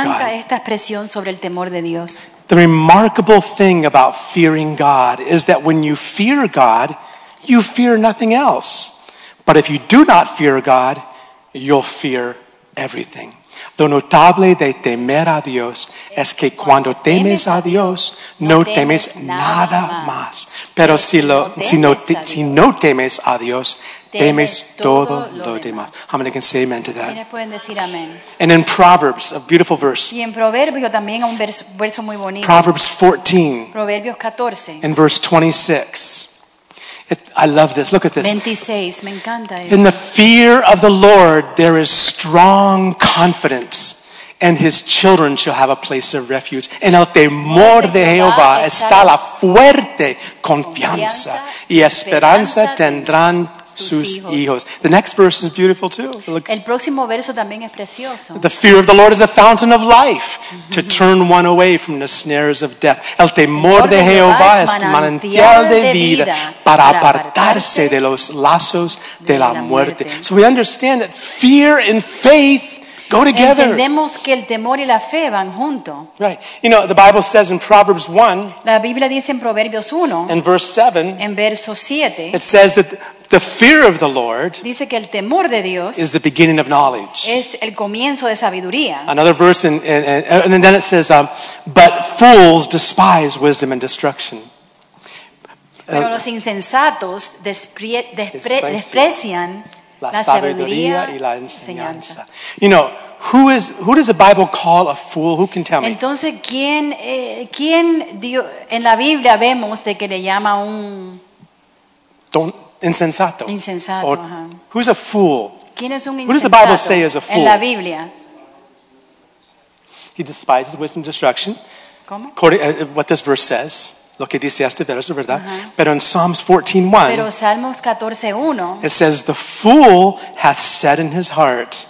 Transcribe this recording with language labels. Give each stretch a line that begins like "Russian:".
Spanish: Me encanta esta expresión sobre el temor de Dios.
English: The remarkable thing about fearing God is that when you fear God, you fear nothing else. But if you do not fear God, you'll fear everything.
Spanish: Lo notable de temer a Dios es que cuando temes a Dios, no temes nada más. Pero si no temes a Dios, temes todo lo demás.
English: How many can say amen to that? And in Proverbs, a beautiful verse.
Spanish: Y en Proverbios también un verso muy bonito.
English: Proverbs 14.
Spanish: Proverbios 14.
English: In verse 26. I love this. Look at this.
Spanish: 26, me encanta eso.
English: In the fear of the Lord, there is strong confidence, and his children shall have a place of refuge.
Spanish: En el temor de Jehová está la fuerte confianza, y esperanza tendrán sus hijos.
English: The next verse is beautiful too.
Spanish: Look. El próximo verso también es precioso.
English: The fear of the Lord is a fountain of life, mm-hmm. to turn one away from the snares of death.
Spanish: El temor de Jehová es manantial de vida para apartarse de los lazos de la muerte.
English: So we understand that fear and faith go together.
Spanish: Entendemos que el temor y la fe van junto.
English: Right. You know, the Bible says in Proverbs 1,
Spanish: la Biblia dice en Proverbios 1,
English: in verse 7,
Spanish: en verso 7,
English: it says that the fear of the Lord,
Spanish: dice que el temor de Dios,
English: is the beginning of knowledge.
Spanish: Es el comienzo de sabiduría.
English: Another verse, and then it says, but fools despise wisdom and destruction.
Spanish: Pero los insensatos desprecian la sabiduría y la enseñanza.
English: You know, who does the Bible call a fool? Who can tell me?
Spanish: Entonces, ¿quién dio, en la Biblia vemos de que le llama un... insensato. Insensato,
English: or, who's a fool?
Spanish: ¿Quién es un insensato?
English: Who does the Bible say is a fool?
Spanish: En la Biblia.
English: He despises wisdom and destruction.
Spanish: ¿Cómo?
English: According to what this verse says.
Spanish: Lo que dice este verso, ¿verdad?
English: Uh-huh.
Spanish: Pero en Psalms 14:1, pero Salmos 14:1,
English: it says, the fool hath said in his heart,